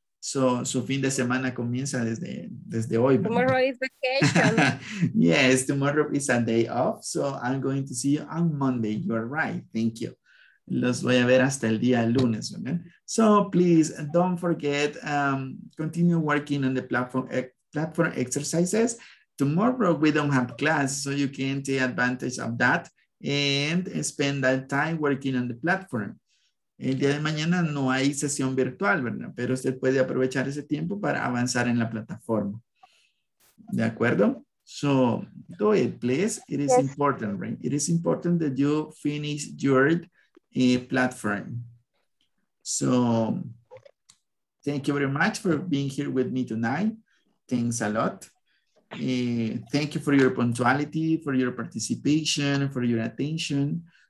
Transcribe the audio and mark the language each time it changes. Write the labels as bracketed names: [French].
[English] So, [Spanish] su fin de semana comienza desde hoy. [English] Tomorrow is vacation. Yes, tomorrow is a day off. So, I'm going to see you on Monday. You're right. Thank you. [Spanish] Los voy a ver hasta el día lunes. [English] Okay? So, please, don't forget, continue working on the platform exercises. Tomorrow, we don't have class, so you can take advantage of that and spend that time working on the platform. [Spanish] El día de mañana no hay sesión virtual, ¿verdad? Pero usted puede aprovechar ese tiempo para avanzar en la plataforma. ¿De acuerdo? [English] So, do it, please. It is important, right? It is important that you finish your platform. So, thank you very much for being here with me tonight. Thanks a lot. Thank you for your punctuality, for your participation, for your attention.